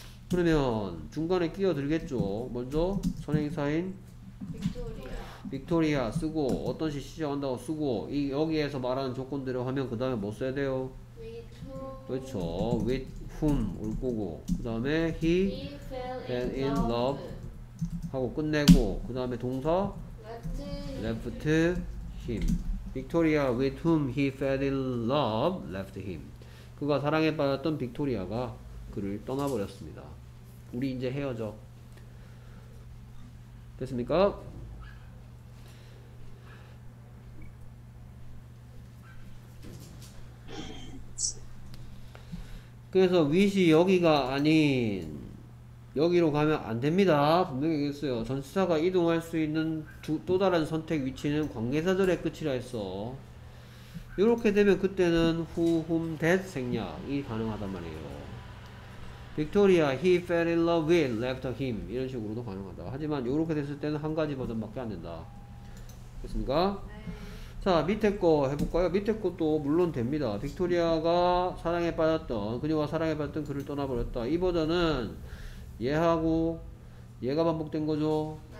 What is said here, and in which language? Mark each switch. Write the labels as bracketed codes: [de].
[ko] 그러면 중간에 끼어들겠죠. 먼저 선행사인 빅토리아 쓰고 어떤 시 시작한다고 쓰고 이 여기에서 말하는 조건들을 하면 그 다음에 뭐 써야 돼요? [en] With whom. [ko] 그렇죠. [en] With whom [ko] 올 거고 그 다음에 [en] he fell in love [ko] 하고 끝내고 그 다음에 동사 [en] left him. Victoria with whom he fell in love left him. [ko] 그가 사랑에 빠졌던 빅토리아가 그를 떠나버렸습니다. 우리 이제 헤어져. 됐습니까? 그래서 with이 여기가 아닌 여기로 가면 안 됩니다. 분명히 얘기했어요. 전치사가 이동할 수 있는 또 다른 선택 위치는 관계사절의 끝이라 했어. 이렇게 되면 그때는 who, whom, that 생략이 가능하단 말이에요. [en] Victoria, he fell in love with, left him. [ko] 이런 식으로도 가능하다. 하지만 이렇게 됐을 때는 한 가지 버전밖에 안 된다. 됐습니까? 자, 밑에 거 해볼까요? 밑에 것도 물론 됩니다. 빅토리아가 사랑에 빠졌던, 그녀와 사랑에 빠졌던 그를 떠나버렸다. 이 버전은 얘하고 얘가 반복된 거죠?